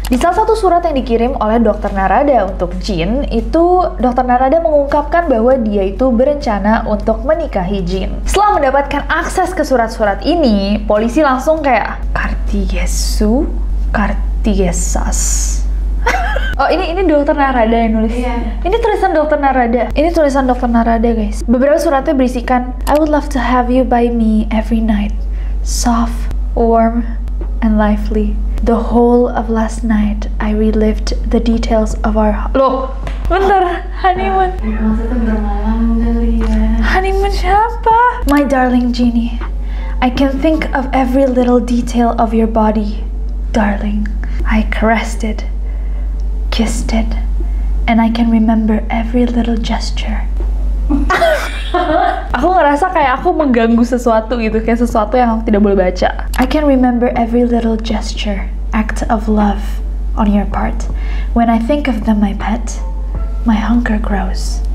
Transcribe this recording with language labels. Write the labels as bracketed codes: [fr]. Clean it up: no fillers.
[id] Di salah satu surat yang dikirim oleh dokter Narada untuk Jean, itu dokter Narada mengungkapkan bahwa dia itu berencana untuk menikahi Jean. Setelah mendapatkan akses ke surat-surat ini, polisi langsung kayak, Kartigesu? Kartigesas? Oh, ini dokter Narada yang nulis. Yeah. Ini tulisan dokter Narada. Ini tulisan dokter Narada, guys. Beberapa suratnya berisikan, [en] I would love to have you by me every night. Soft, warm and lively. The whole of last night, I relived the details of our honeymoon. Honeymoon [id] siapa? [en] My darling genie, I can think of every little detail of your body, darling. I caressed it, kissed it, and I can remember every little gesture. [id] Aku ngerasa kayak aku mengganggu sesuatu gitu, kayak sesuatu yang aku tidak boleh baca. [en] I can remember every little gesture, act of love on your part. When I think of them, my pet, my hunger grows.